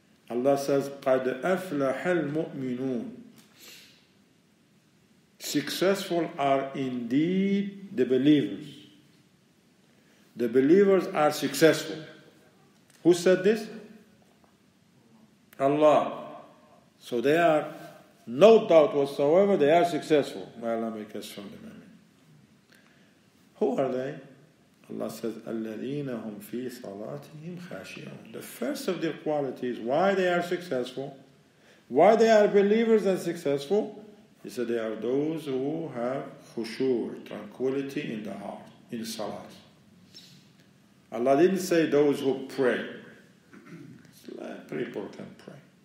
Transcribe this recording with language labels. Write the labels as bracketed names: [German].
[English] Allah says, [Arabic] قَدْ أَفْلَحَ الْمُؤْمِنُونَ. [English] Successful are indeed the believers. The believers are successful. Who said this? Allah. So they are, no doubt whatsoever, they are successful. May Allah make us from them. Who are they? Allah says, [Arabic] الَّذِينَ هُمْ فِي صَلَاتِهِمْ خَاشِعُونَ. [English] The first of their qualities, why they are successful, why they are believers and successful, he said they are those who have khushur, tranquility in the heart, in salat. Allah didn't say those who pray. People can pray.